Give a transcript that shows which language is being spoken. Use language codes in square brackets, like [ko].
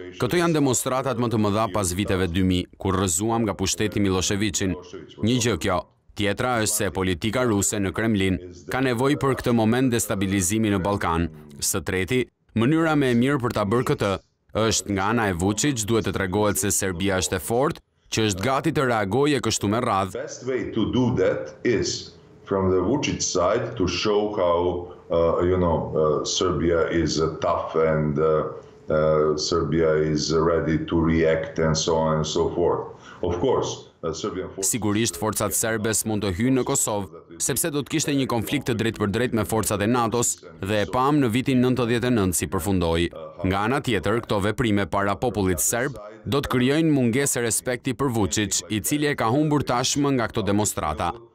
[sq] Këto janë demonstratat më të mëdha pas viteve 2000, kur rrëzuam nga pushteti Miloševićin. Një gjë kjo. Tjetra është se politika ruse në Kremlin ka nevojë për këtë moment destabilizimi në Ballkan. Së treti, mënyra më e mirë për ta bërë këtë është nga ana e Vučić, duhet të tregohet se Serbia është e fortë, që është gati të reagojë kështu me radhë. [en] The best way to do that is from the Vučić side to show how Serbia is tough and Serbia is ready to react and so on and so forth. Of course, [sq] sigurisht forcat serbe mund të hyjnë në Kosovë, sepse do të kishte një konflikt të drejtpërdrejtë me forcat e NATO-s dhe e pam në vitin 99 si përfundoi. Nga ana tjetër, këto veprime para popullit serb do të krijojnë mungesë respekti për Vučić, i cili e ka humbur tashmë nga këto demonstrata.